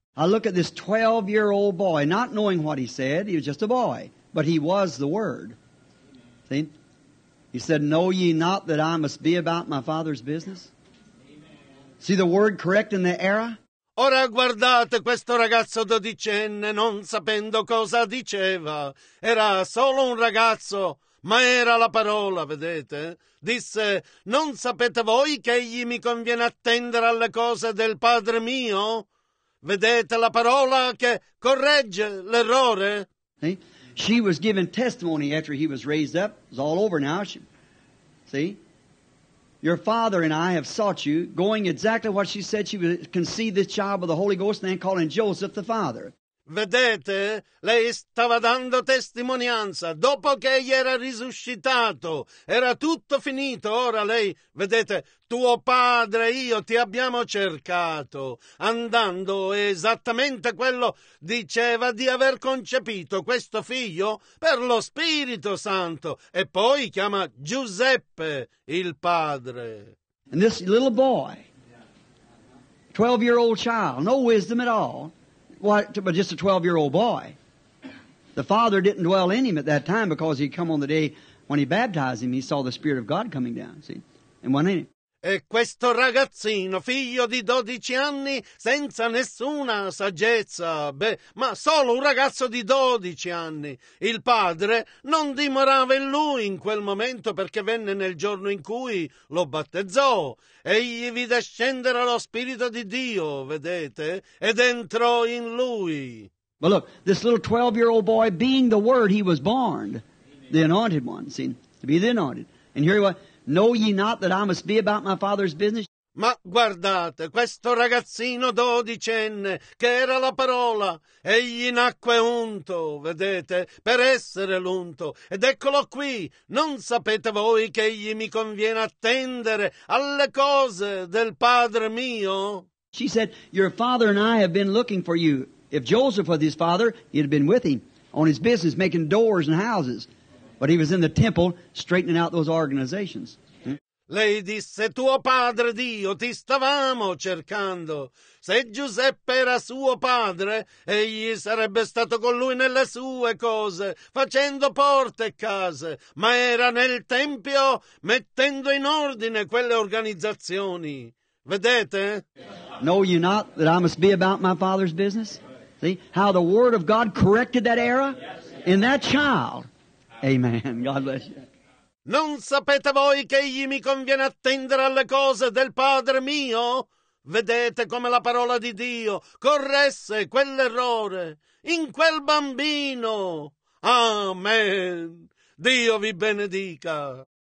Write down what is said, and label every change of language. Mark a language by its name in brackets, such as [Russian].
[English] I look at this 12-year-old boy, not knowing what he said. He was just a boy, but he was the Word. See? He said, know ye not that I must be about my father's business? Amen. See the word correct in the era? [Italian] Ora guardate questo ragazzo dodicenne, non sapendo cosa diceva. Era solo un ragazzo, ma era la parola, vedete? Disse, non sapete voi che egli mi conviene attendere alle cose del padre mio? Vedete la parola che corregge l'errore? Sì. [English] She was giving testimony after he was raised up. It's all over now. She, see? Your father and I have sought you, going exactly what she said. She would conceive this child with the Holy Ghost and then calling Joseph the father. [Italian] Vedete? Lei stava dando testimonianza. Dopo che egli era risuscitato, era tutto finito. Ora lei, vedete, tuo padre e io ti abbiamo cercato, andando esattamente quello diceva di aver concepito questo figlio per lo Spirito Santo. E poi chiama Giuseppe il padre. [English] And this little boy, 12-year-old child, no wisdom at all, but just a 12-year-old boy. The father didn't dwell in him at that time because he'd come on the day when he baptized him. He saw the Spirit of God coming down, see, and went in him. [Italian] E questo ragazzino, figlio di 12 anni, senza nessuna saggezza, ma solo un ragazzo di 12 anni. Il padre non dimorava in lui in quel momento perché venne nel giorno in cui lo battezzò. Egli vide scendere lo Spirito di Dio, vedete, ed entrò in lui. [English] But look, this little 12-year-old boy, being the Word, he was born, the anointed one, see, to be the anointed. And here he was. Know ye not that I must be about my father's business? [Italian] Ma guardate, questo ragazzino dodicenne, che era la parola, egli nacque unto, vedete, per essere l'unto. Ed eccolo qui, non sapete voi che egli mi conviene attendere alle cose del padre mio? [English] She said, your father and I have been looking for you. If Joseph was his father, he'd have been with him on his business making doors and houses. But he was in the temple straightening out those organizations. [Italian] Lei disse, tuo padre Dio, ti stavamo cercando. Se Giuseppe era suo padre, egli sarebbe stato con lui nelle sue cose, facendo porte e case. Ma era nel tempio, mettendo in ordine quelle organizzazioni. Vedete? [English] Know you not that I must be about my father's business? See how the word of God corrected that era in that child. Amen. God bless you. [Italian] Non sapete voi che egli mi conviene attendere alle cose del padre mio? Vedete come la parola di Dio corresse quell'errore in quel bambino. Amen. Dio vi benedica.